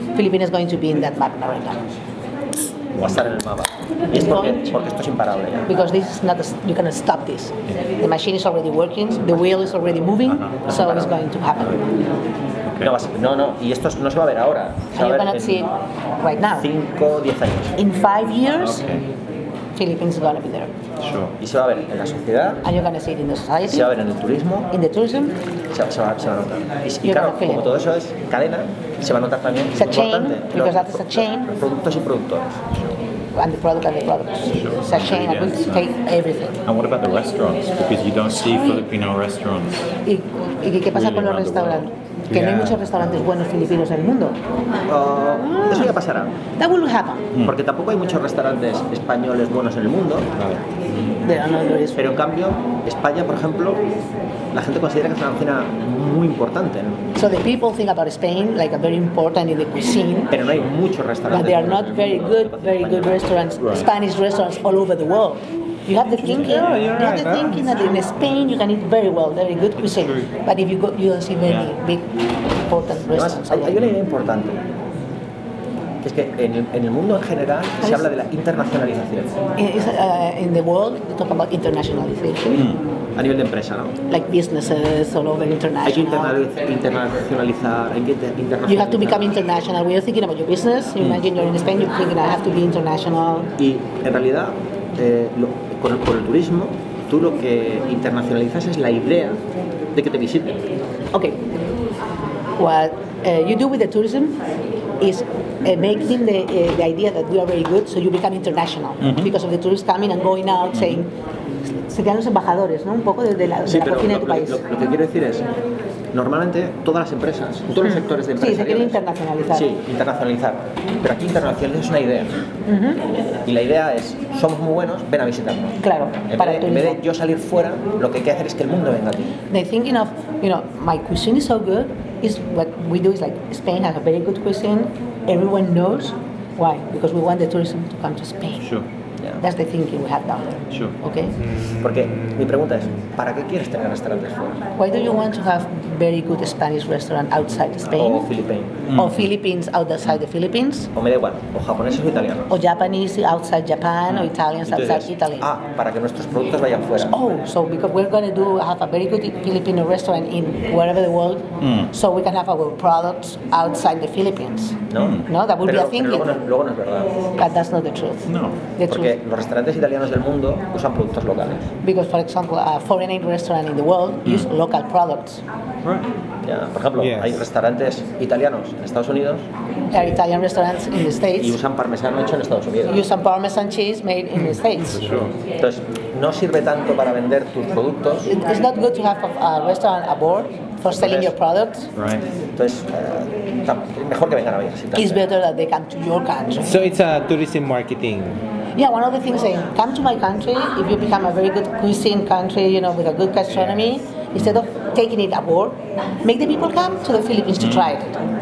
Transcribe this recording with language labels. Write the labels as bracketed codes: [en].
[en] Filipinas going to be in that map now and then. [es] Va a estar en el mapa. Y es porque esto es imparable ya. [en] Because this is not you cannot stop this. The machine is already working, the wheel is already moving, so it's going to happen. [es] No, no, no, y esto no se va a ver ahora. Se va a ver [en] en see it right now. [es] 5, 10 años. [en] In 5 years, Philippines is going to be there. Sure. [es] Y se va a ver en la sociedad. [en] And you're going to see it in the society. [es] Se va a ver en el turismo. [en] In the tourism. [es] Se va a notar. Y claro, como todo eso es cadena, se va a notar también. [en] It's a chain, because that's a chain. [es] Productos y productores. [en] and the product and the products. Sure. Sachet, yes. I'm going to take everything. And what about the restaurants? Because you don't see Filipino restaurants. [es] ¿Y qué pasa con los restaurantes? Que no hay muchos restaurantes buenos filipinos en el mundo. Eso ya pasará. [en] That will happen. [es] Porque tampoco hay muchos restaurantes españoles buenos en el mundo. Pero en cambio, España, por ejemplo, la gente considera que es una cocina muy importante, ¿no? [en] So the people think about Spain like a very important in the cuisine. [es] Pero no hay muchos restaurantes. [en] But there are not very good restaurants, right. Spanish restaurants all over the world. You have the thinking. Yeah, you're you right, have the right. thinking that in Spain you can eat very well, very good cuisine. But if you go, you don't see many big important restaurants. [es] Hay una idea importante. Es que en el mundo en general se habla de la internacionalización. [en] In the world, we talk about internationalization. [es] A nivel de empresa, ¿no? [en] Like businesses all over international. [es] Hay que internacionalizar, hay que internacionalizar. [en] You have to become international. We are thinking about your business. Imagine you're in Spain, you're thinking I have to be international. [es] Y en realidad, con el turismo, tú lo que internacionalizas es la idea de que te visiten. [en] Okay. What you do with the tourism is making the idea that we are very good, so you become international because of the tourists coming and going out saying [es] se quedan los embajadores, ¿no? Un poco de la cocina de tu país. Lo que quiero decir es, normalmente todas las empresas, todos los sectores de empresas. Sí, se quiere internacionalizar. Sí, internacionalizar. Pero aquí internacionalizar es una idea. Y la idea es, somos muy buenos, ven a visitarnos. Claro. En vez de yo salir fuera, lo que hay que hacer es que el mundo venga a ti. [en] They thinking of, you know, my cuisine is so good. Is what we do is like Spain has a very good cuisine. Everyone knows why, because we want the tourism to come to Spain. Sure. Yeah. That's the thinking we have down there. Sure. Okay. [es] Porque mi pregunta es, ¿para qué quieres tener restaurantes fuera? [en] Why do you want to have very good Spanish restaurant outside Spain? [es] O Philippines. [en] Or Philippines outside the Philippines? [es] O me da igual. O japoneses o italianos. [en] O Japanese outside Japan or Italians [es] Entonces, [en] outside Italy. [es] Ah, para que nuestros productos vayan fuera. [en] Oh, so because we're going to have a very good Filipino restaurant in wherever the world, so we can have our products outside the Philippines. No. No, that would [es] pero, [en] be a thinking. [es] Luego no es verdad. [en] But that's not the truth. No. The truth. [es] Porque los restaurantes italianos del mundo usan productos locales. [en] Because, for example, a foreign aid restaurant in the world use local products. Right. Yeah. [es] Por ejemplo, hay restaurantes italianos en Estados Unidos. [en] There are Italian restaurants in the States. [es] Y usan parmesano hecho en Estados Unidos. [en] Use some parmesan cheese made in the States. Sure. [es] Entonces, no sirve tanto para vender tus productos. [en] It's not good to have a restaurant aboard for selling your products. Right. [es] Entonces, mejor que vengan a visitar. [en] It's better that they come to your country. So it's a tourism marketing. Yeah, one of the things saying, come to my country, if you become a very good cuisine country, you know, with a good gastronomy, instead of taking it aboard, make the people come to the Philippines to try it.